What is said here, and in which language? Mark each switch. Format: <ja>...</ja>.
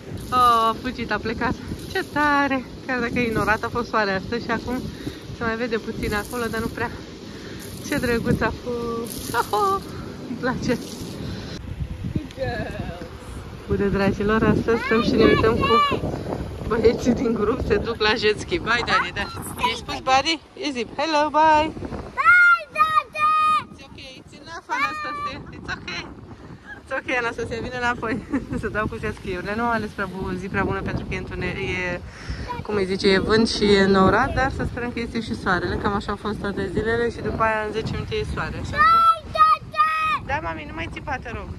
<ro>Oh, a fugit, a plecat. Ce tare! Chiar dacă e ignorat, a fost soarea asta și acum se mai vede puțin acolo, dar nu prea. Ce drăguț a fost! Oh, oh, îmi place! Bună, dragilor, astăzi stăm și ne uităm cu băieții din grup, se duc la jet ski.</ro> <en>Bye,</en> <ro>Dani, da. I-ai spus,</ro> <en>buddy?</en> <ro>E zip.</ro> <en>Hello, bye! Bye, Dani! It's ok, it's enough, Anastasia. It's ok. It's ok,</en> <ro>Anastasia, vine înapoi. Să dau cu jet ski-urile. Nu am ales prea zi prea bună pentru că e întuneric, e, cum îi zice, e vânt și e norat, dar să sperăm că este și soarele, cam așa au fost toate zilele și după aia în 10 minute e soare.</ro> <en>Bye, Dani!</en> <ro>Da, mami, nu mai țipa, te rog.</ro>